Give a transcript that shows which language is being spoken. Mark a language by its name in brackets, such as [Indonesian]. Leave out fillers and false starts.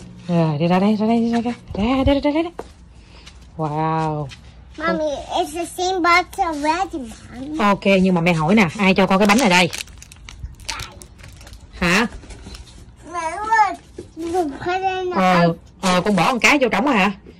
[Vietnamese] Rồi, đi ra đây, ra đây, ra đây, ra đây, ra đây, ra đây. [English] Wow. Mommy, it's the same box already, mommy. [Vietnamese] Ok, nhưng mà mẹ hỏi nè, ai cho con cái bánh này đây? Hả? Mẹ ơi, dùng cái đây nè. Con bỏ con cái vô trống hả?